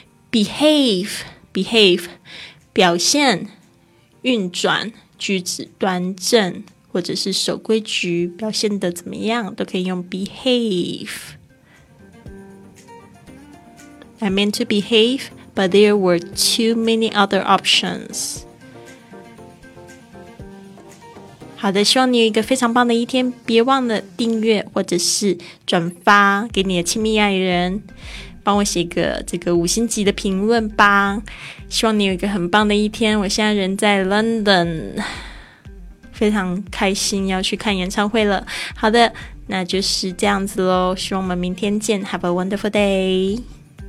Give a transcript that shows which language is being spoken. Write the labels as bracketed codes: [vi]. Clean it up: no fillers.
[zh] behave 表现运转举止端正，或者是守规矩表现的怎么样，都可以用 behave. [en] I meant to behave, but but there were too many other options. [zh] 好的，希望你有一个非常棒的一天，别忘了订阅或者是转发给你的亲密爱人，帮我写个这个五星级的评论吧。希望你有一个很棒的一天，我现在人在 London， 非常开心要去看演唱会了。好的，那就是这样子咯，希望我们明天见， [en] Have a wonderful day。